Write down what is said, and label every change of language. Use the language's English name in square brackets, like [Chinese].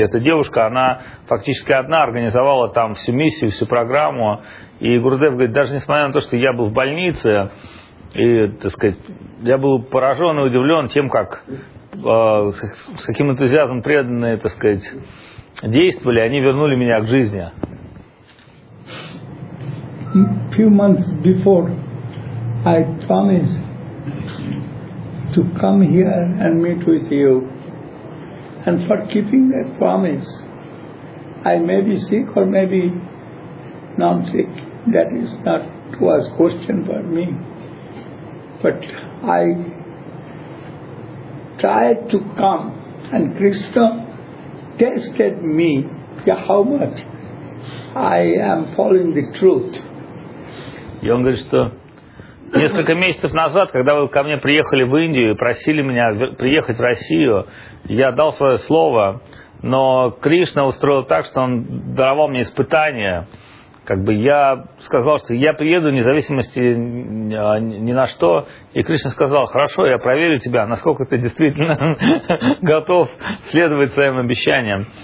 [Russian] Эта девушка, она фактически одна организовала там всю миссию, всю программу. И Гурудев говорит: даже несмотря на то, что я был в больнице, и, так сказать, я был поражен и удивлен тем, как, с каким энтузиазмом преданные, так сказать, действовали, они вернули меня к жизни. [English] A few months before I promised to come here and meet with you. And for keeping that promise, I may be sick or maybe non-sick. That is not was question for me. But I tried to come, and Krishna tested me how much I am following the truth. Younger sister. [Russian] Несколько месяцев назад, когда вы ко мне приехали в Индию и просили меня приехать в Россию, я дал свое слово, но Кришна устроил так, что он даровал мне испытание. Как бы я сказал, что я приеду вне зависимости ни на что, и Кришна сказал: хорошо, я проверю тебя, насколько ты действительно готов следовать своим обещаниям.